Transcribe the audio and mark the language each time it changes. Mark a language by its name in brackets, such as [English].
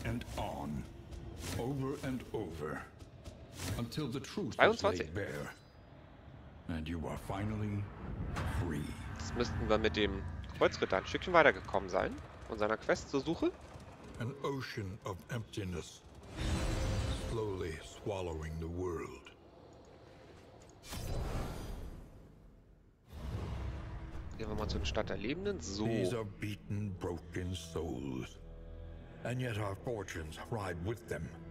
[English] and on, over and over, until the truth is laid bare, and you are finally free. [German] Jetzt müssten wir mit dem Kreuzritter ein Stückchen weitergekommen sein, und seiner Quest zur Suche. [English] An ocean of emptiness, slowly swallowing the world. [German] Gehen wir mal zu den Stadt der Lebenden. So. [English] These are beaten, broken souls. And yet our fortunes ride with them.